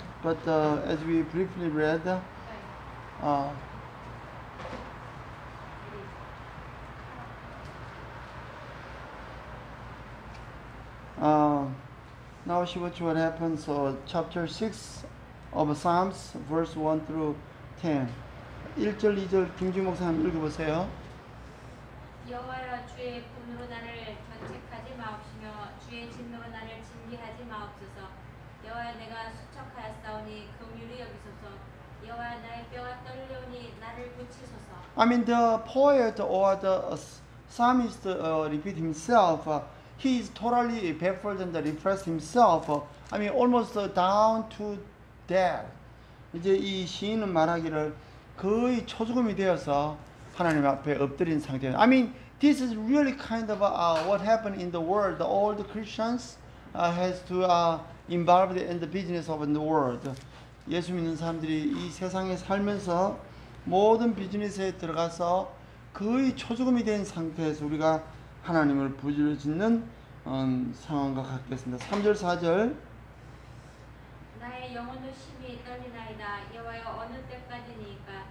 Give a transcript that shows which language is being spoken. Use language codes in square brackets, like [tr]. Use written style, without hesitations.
[en] But as we briefly read, now she watch what happens. So chapter 6 of Psalms verse 1 through 10. [ko] 1절 2절 김주 목사 한번 읽어보세요. 여호와여 주의 분으로 나를 견책하지 마옵시며 주의 진노로 나를 징계하지 마옵소서. 여호와여 내가 수척하였사오니 긍휼히 여기소서. 여호와여 나의 뼈가 떨려오니 나를 고치소서. [en] I mean the poet or the psalmist repeat himself. He is totally baffled and depressed himself. I mean almost down to death. [ko] 이제 이 시인은 말하기를 거의 초죽음이 되어서 하나님 앞에 엎드린 상태예요. [en] I mean, this is really kind of what happened in the world. All the Christians has to involved in the business of the world. [ko] 예수 믿는 사람들이 이 세상에 살면서 모든 비즈니스에 들어가서 거의 초죽음이 된 상태에서 우리가 하나님을 부르짖는 상황과 같겠습니다. 3절, 4절. 나의 영혼도 심히 떨리나이다. 여호와여 어느 때까지니까.